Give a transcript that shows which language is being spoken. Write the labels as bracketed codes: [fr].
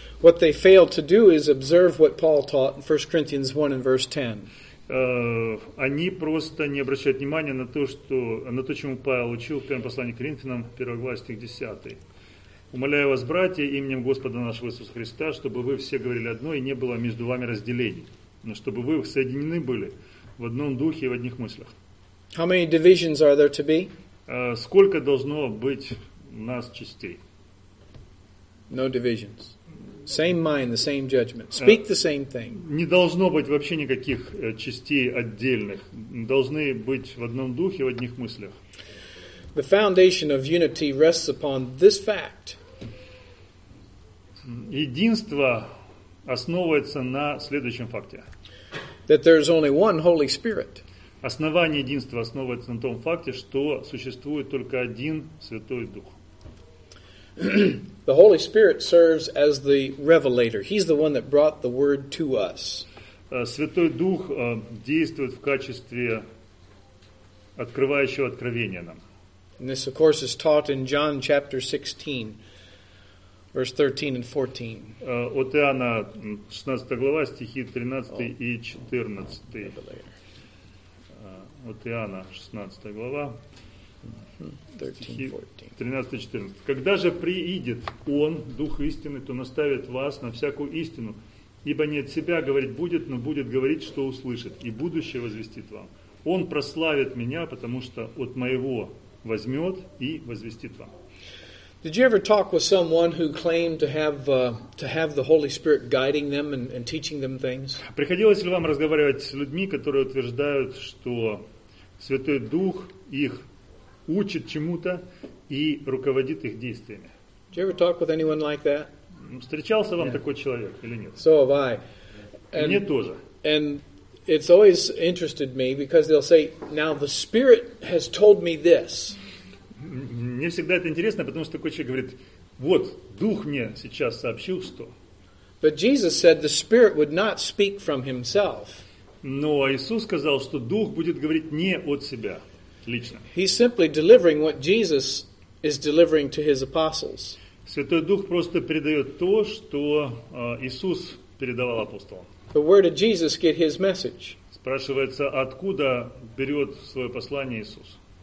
[en] What they failed to do is observe what Paul taught in 1 Corinthians 1 and verse 10. [ru] Они просто не обращают внимания на то, что, на то, чему Павел учил в 1 послании к Коринфянам, 1 глава, стих 10. Умоляю вас, братья, именем Господа нашего Иисуса Христа, чтобы вы все говорили одно и не было между вами разделений. Но чтобы вы соединены были в одном духе и в одних мыслях. [en] How many divisions are there to be? [ru] Сколько должно быть у нас частей? [en] No divisions. Same mind, the same judgment. Speak the same thing. [ru] Не должно быть вообще никаких частей отдельных. Должны быть в одном духе и в одних мыслях. [en] The foundation of unity rests upon this fact. [ru] Единство основывается на следующем факте. [en] that there is only one Holy Spirit. [ru] Основание единства основывается на том факте, что существует только один Святой Дух. [en] The Holy Spirit serves as the revelator. He's the one that brought the word to us. [ru] Святой Дух действует в качестве открывающего откровения нам. And this, of course, is taught in John chapter 16, verse 13 and 14. От Иоанна 16 глава, стихи 13 и 14. От Иоанна 16 глава. 13-14. Когда же приидет Он, Дух истины, то наставит вас на всякую истину, ибо не от себя говорить будет, но будет говорить, что услышит, и будущее возвестит вам. Он прославит меня, потому что от моего возьмет и возвестит вам. [en] Did you ever talk with someone who claimed to have the Holy Spirit guiding them and teaching them things? [ru] Приходилось ли вам разговаривать с людьми, которые утверждают, что Святой Дух их учит чему-то и руководит их действиями? [en] Did you ever talk with anyone like that? [ru] Встречался вам такой человек или нет? [en] So have I. [ru] And, мне тоже. [en] And it's always interested me because they'll say, "Now the Spirit has told me this." [ru] Мне всегда это интересно, потому что такой человек говорит: "Вот Дух мне сейчас сообщил что." [en] But Jesus said the Spirit would not speak from Himself. [ru] Но Иисус сказал, что Дух будет говорить не от себя. Лично. [en] He's simply delivering what Jesus is delivering to his apostles. [ru] Святой Дух просто передает то, что Иисус передавал апостолам. [en] But where did Jesus get his message? [ru] Спрашивается, откуда берет свое послание Иисус?